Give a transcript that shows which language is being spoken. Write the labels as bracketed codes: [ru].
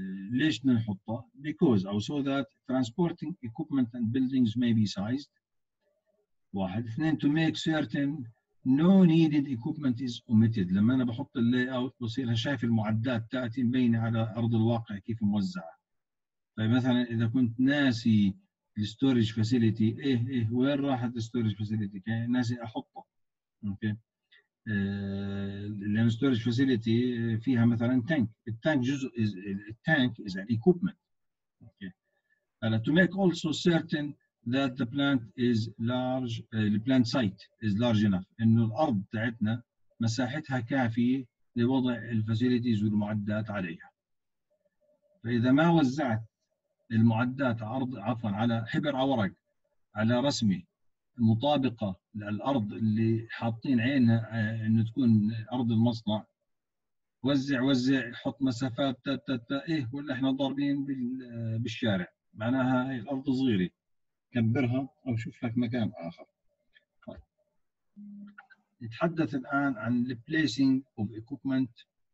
[ar] ليش نحطه؟ [en] Because أو so that transporting equipment and buildings may be sized. [ar] واحد اثنين [en] to make certain no needed equipment is omitted. [ar] لما أنا بحط اللاي أوت بصير هشايف المعدات تأتي مبينة على أرض الواقع كيف موزعة. فمثلا إذا كنت ناسي الستورج فاسيليتي، إيه وين راحت الستورج فاسيليتي؟ كان ناسي أحطه. لأن الستورج فاسيليتي فيها مثلا تانك، التانك جزء is التانك [en] is an equipment. Okay. To make also certain that the plant is large, the plant site is large enough. [ar] إنه الأرض تاعتنا مساحتها كافية لوضع الفاسيليتيز والمعدات عليها. فإذا ما وزعت المعدات على حبر أو ورق على رسمة مطابقة للأرض اللي حاطين عينها إنه تكون أرض المصنع، وزع حط مسافات إيه ولا إحنا ضاربين بالشارع، معناها هي الأرض صغيرة. كبرها أو شوف لك مكان آخر. نتحدث الآن عن [en] the placing of equipment.